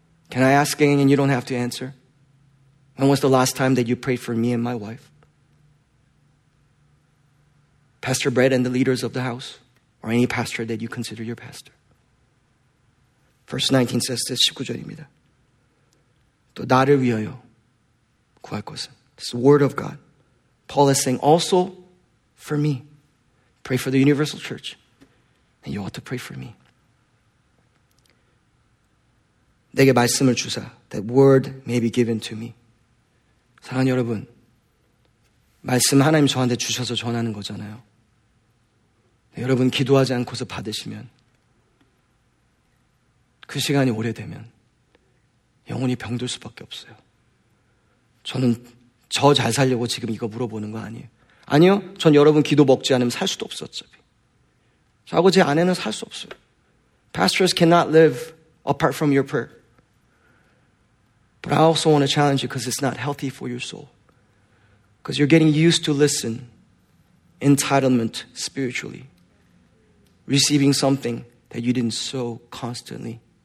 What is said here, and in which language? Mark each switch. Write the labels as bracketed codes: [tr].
[en] Can I ask again and you don't have to answer? When was the last time that you prayed for me and my wife? Pastor Brett and the leaders of the house, or any pastor that you consider your pastor. Verse 19 says this, [ko] 19절입니다. 또 나를 위하여 구할 것은. [en] It's the word of God. Paul is saying, also for me. Pray for the universal church. And you ought to pray for me. [ko] 내게 말씀을 주사, [en] that word may be given to me. [ko] 사랑하는 여러분, 말씀 하나님 저한테 주셔서 전하는 거잖아요. 여러분 기도하지 않고서 받으시면 그 시간이 오래되면 영혼이 병들 수밖에 없어요. 저는 저 잘 살려고 지금 이거 물어보는 거 아니에요. 아니요, 전 여러분 기도 먹지 않으면 살 수도 없어 어차피. 저하고 제 아내는 살 수 없어요. [en] Pastors cannot live apart from your prayer. But I also want to challenge you because it's not healthy for your soul. Because you're getting used to listen, entitlement spiritually, receiving something that you didn't sow constantly.